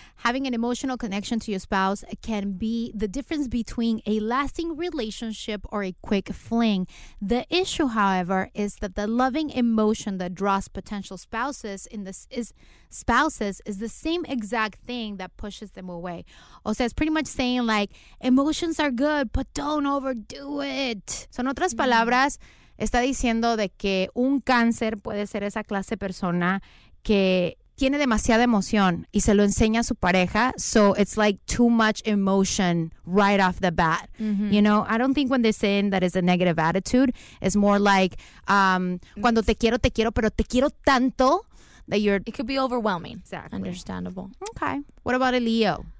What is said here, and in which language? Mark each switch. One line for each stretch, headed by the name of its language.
English: Having an emotional connection to your spouse can be the difference between a lasting relationship or a quick fling. The issue, however, is that the loving emotion that draws potential spouses in this is the same exact thing that pushes them away.
Spanish: O sea,
English: it's pretty much saying like, emotions are good, but don't overdo it.
Spanish: Son otras palabras, está diciendo de que un cáncer puede ser esa clase de persona que tiene demasiada emoción y se lo enseña a su pareja.
English: So it's like too much emotion right off the bat. Mm-hmm. You know, I don't think when they say that is a negative attitude, it's more like
Spanish: cuando te quiero, pero te quiero tanto
English: that you're... It could be overwhelming. Exactly. Understandable. Okay. What about a Leo?